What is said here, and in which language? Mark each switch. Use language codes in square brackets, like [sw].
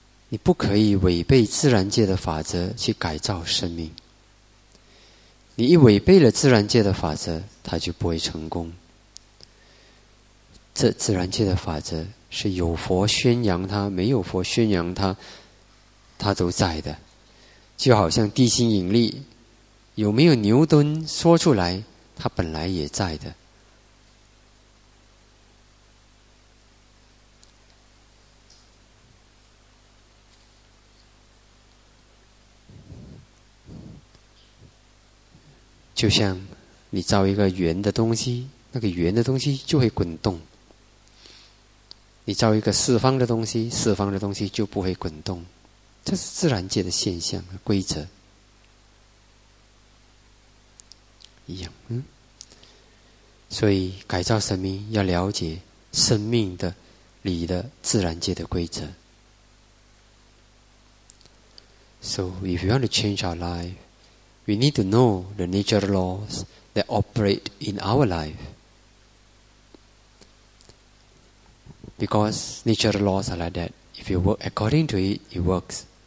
[en] You cannot change the natural law to change our life. [zh] 你一违背了自然界的法则，它就不会成功。这自然界的法则是有佛宣扬它，没有佛宣扬它，它都在的。就好像地心引力，有没有牛顿说出来，它本来也在的。就像你造一个圆的东西，那个圆的东西就会滚动。你造一个四方的东西，四方的东西就不会滚动。这是自然界的现象和规则。一样，所以改造生命要了解生命的理的自然界的规则。 [en] So, if you want to change our life,We need to know the nature laws that operate in our life. Because nature laws are like that. If you work according to it, it works.